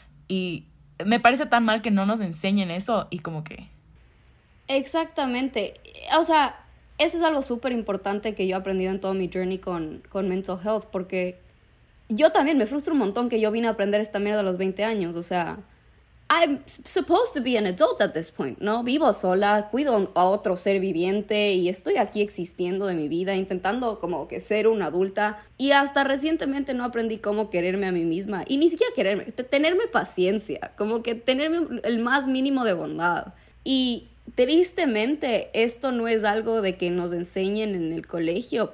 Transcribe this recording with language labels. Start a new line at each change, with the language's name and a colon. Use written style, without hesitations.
Spanish: Y me parece tan mal que no nos enseñen eso y como que... Exactamente. O sea, eso es algo súper importante que yo he aprendido en todo mi journey con
English: mental health,
Spanish: porque yo también me frustro un montón que yo vine a aprender esta mierda a los 20 años, o sea...
English: I'm supposed to be an adult at this point,
Spanish: ¿no? Vivo sola, cuido a otro ser viviente y estoy aquí existiendo de mi vida, intentando como que ser una adulta. Y hasta recientemente no aprendí cómo quererme a mí misma. Y ni siquiera quererme, tenerme paciencia, como que tenerme el más mínimo de bondad. Y tristemente, esto no es algo de que nos enseñen en el colegio.